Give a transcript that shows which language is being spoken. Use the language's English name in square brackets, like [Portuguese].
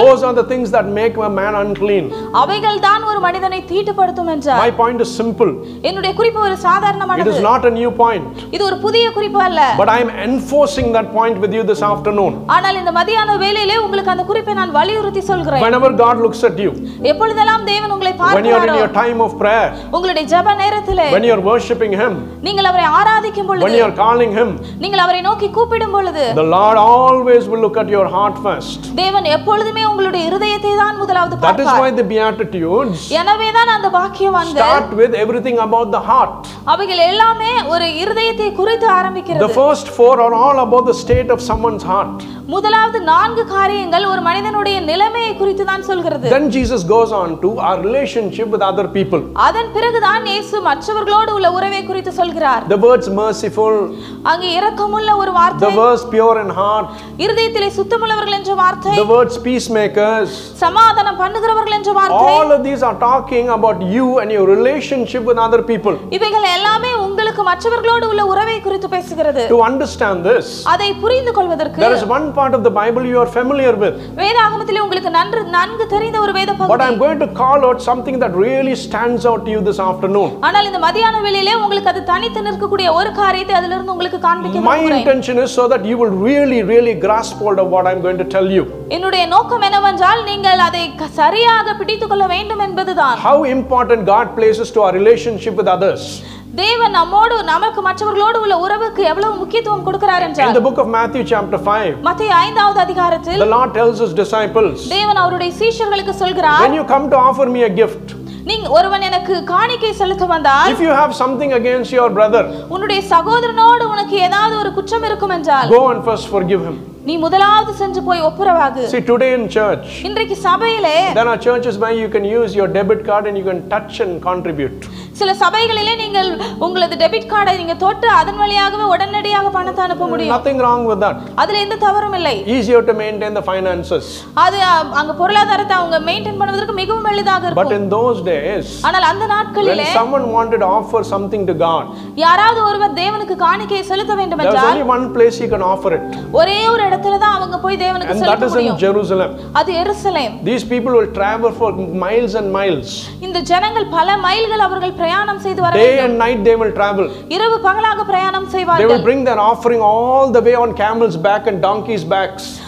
[English] those are the things that make a man unclean [Tamil] அவைகள் தான் ஒரு மனிதனை தீட்டுப்படுத்தும் என்றார் [English] my point is simple [Tamil] என்னுடைய குறிப்பு ஒரு சாதாரணமானது [English] it is not a new point [Tamil] இது ஒரு புதிய குறிப்பு அல்ல [English] but I am enforcing that point with you this afternoon [Tamil] ஆனால் இந்த மதியான வேளையிலே உங்களுக்கு அந்த குறிப்பை நான் வலியுறுத்தி சொல்கிறேன் [English] whenever god looks at you [Tamil] எப்பொழுதெல்லாம் தேவன் உங்களை பார்க்கிறாரோ [English] when you are in your time of prayer [Tamil] உங்களுடைய ஜெப நேரத்திலே [English] when you are worshiping him [Tamil] நீங்கள் அவரை ஆராதிக்கும் பொழுது [English] when you are calling him [Tamil] நீங்கள் அவரை நோக்கி கூப்பிடும் பொழுது [English] The Lord always will look at your heart first. [Tamil] தேவன் எப்பொழுதே உங்களுடைய இதயத்தை தான் முதலாவது பார்ப்பார். [English] That is why the beatitudes. [Tamil] எனவே தான் அந்த வாக்கியம் வந்த. [English] Start with everything about the heart. [Tamil] அவைகள் எல்லாமே ஒரு இதயத்தை குறித்து ஆரம்பிக்கிறது. [English] The first four are all about the state of someone's heart. [Tamil] முதலாவது நான்கு காரியங்கள் ஒரு மனிதனுடைய நிலைமையை குறித்து தான் சொல்கிறது. [English] Then Jesus goes on to our relationship with other people. [Tamil] அதன் பிறகு தான் இயேசு மற்றவர்களோடு உள்ள உறவை குறித்து சொல்கிறார். [English] The words merciful. [Tamil] அங்க இரக்கமுள்ள ஒரு வார்த்தை. [English] The words pure in heart. [Tamil] இருதயத்திலே சுத்தமுள்ளவர்கள் என்ற வார்த்தை. [English] The words peacemakers. [Tamil] சமாதானம் பண்ணுகிறவர்கள் என்ற வார்த்தை. [English] All of these are talking about you and your relationship with other people. [Tamil] இவைகள் எல்லாமே உங்களுக்கு மற்றவர்களோடு உள்ள உறவை குறித்து பேசுகிறது. [English] To understand this. [Tamil] அதை புரிந்துகொள்வதற்கு [English] There is one part of the bible you are familiar with [Tamil] வேதாகமத்திலே உங்களுக்கு நன்கு தெரிந்த ஒரு வேத பகுதி [English] but I am going to call out something that really stands out to you this afternoon [Tamil] ஆனால் இந்த மதியான வேளையிலே உங்களுக்கு அது தனித்து நிற்கக்கூடிய ஒரு காரியத்தை அதிலிருந்து உங்களுக்கு காண்பிக்க போகிறேன் [English] my intention is so that you will really grasp hold of what I am going to tell you [Tamil] என்னுடைய நோக்கம் என்னவென்றால் நீங்கள் அதை சரியாக பிடித்துக்கொள்ள வேண்டும் என்பதுதான் [English] how important god places to our relationship with others [Tamil] தேவன் நம்மோடு நமக்கு மற்றவர்களோடு உள்ள உறவுக்கு எவ்வளவு முக்கியத்துவம் கொடுக்கிறார் என்றால் [English] In the book of Matthew chapter 5 [Tamil] மத்தேயு 5வது அதிகாரத்தில் [English] The Lord tells his disciples [Tamil] தேவன் அவருடைய சீஷர்களுக்கு சொல்கிறார் [English] When you come to offer me a gift [Tamil] நீ ஒருவன் எனக்கு காணிக்கை செலுத்த வந்தால் [English] If you have something against your brother [Tamil] உன்னுடைய சகோதரனோடு உனக்கு ஏதாவது ஒரு குற்றம் இருக்கும் என்றால் [English] Go and first forgive him [Tamil] நீ முதலாவது செஞ்சு போய் ஒப்புரவாகு. [English] See today in church. [Tamil] இன்றைக்கு சபையிலே. [English] There are churches where you can use your debit card and you can touch and contribute. [Tamil] சில சபைகளிலே நீங்கள் உங்களது டெபிட் கார்டை நீங்க தொட்டு அதன் வழியாகவே உடனடியாக பணத்தை அனுப்ப முடியும். [English] Nothing wrong with that. [Tamil] அதுல எந்த தவறும் இல்லை. [English] Easier to maintain the finances. [Tamil] அது அங்க பொருளாதாரத்தை அவங்க மெயின்டெய்ன் பண்ணுவதற்கு மிகவும் எளிதாக இருக்கும். [English] But in those days. [Tamil] ஆனால் அந்த நாட்களிலே [English] when someone wanted to offer something to God. [Tamil] யாராவது ஒருவர் தேவனுக்கு காணிக்கை செலுத்த வேண்டும் என்றால் [English] there was only one place he can offer it. [Tamil] ஒரே ஒரு இடத்துல தான் அவங்க போய் தேவனுக்கு செலுத்த முடியும். [English] And that is in Jerusalem. [Tamil] அது எருசலேம். [English] These people will travel for miles and miles. [Tamil] இந்த ஜனங்கள் பல மைல்கள் அவர்கள் பிரயாணம் செய்து வர வேண்டும். [English] Day and night they will travel. [Tamil] இரவு பகலாக பிரயாணம் செய்வார்கள். [English] They will bring their offering all the way on camels back and donkeys backs.